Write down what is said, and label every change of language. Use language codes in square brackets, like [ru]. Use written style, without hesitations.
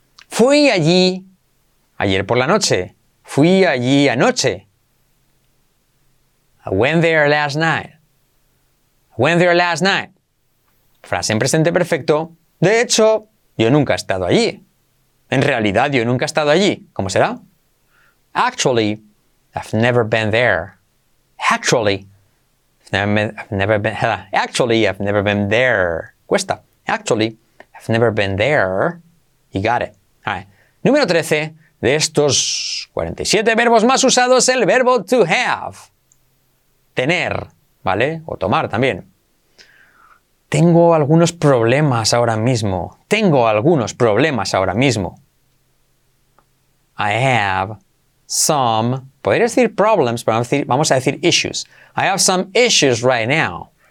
[es] Fui allí ayer por la noche. Fui allí anoche. [en] I went there last night. I went there last night. [es] Frase en presente perfecto. De hecho, yo nunca he estado allí. En realidad, yo nunca he estado allí. ¿Cómo será? [en] Actually, I've never been there. Actually, I've never been there. [es] Cuesta. [en] Actually, I've never been there. You got it. All right. [es] Número 13 de estos 47 verbos más usados, el verbo to have. Tener, ¿vale? O tomar también. Tengo algunos problemas ahora mismo. Tengo algunos problemas ahora mismo. [en] I have some... [es] Podría decir problems, pero vamos a decir issues. [en] I have some issues right now.